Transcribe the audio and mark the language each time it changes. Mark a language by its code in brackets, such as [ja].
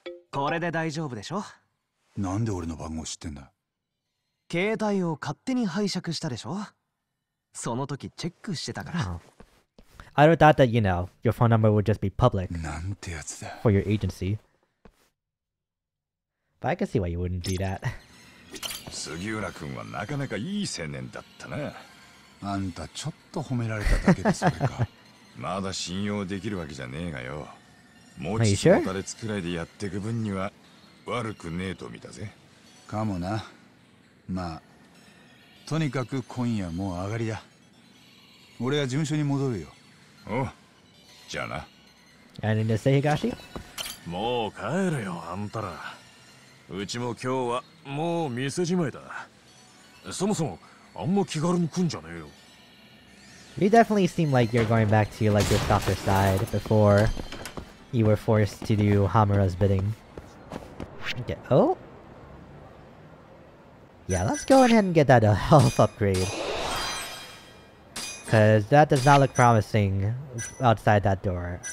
[ja] これで大丈夫でしょ？なんで俺の番号知ってんだ？携帯を勝手に拝借したでしょ？その時チェックしてたから。 [en] I don't doubt that, you know, your phone number would just be public. [ja] なんてやつだ。 [en] For your agency. But I can see why you wouldn't do that. [ja] 杉浦君はなかなかいい青年だったな。あんたちょっと褒められただけでそれか。まだ信用できるわけじゃねえがよ。持ちつ持たれつくらいでやってく分には悪くねえと見たぜ。かもな。まあとにかく今夜もう上がりだ。俺は事務所に戻るよ。おう、じゃあな。あれですね、東。もう帰るよ、あんたら。うちも今日はもう店じまいだ。そもそもあんま気軽に来んじゃねえよ。 [en] You definitely seem like you're going back to like your softer side before you were forced to do Hamura's bidding. Okay. Oh? Yeah, let's go ahead and get that health upgrade. Cause that does not look promising outside that door.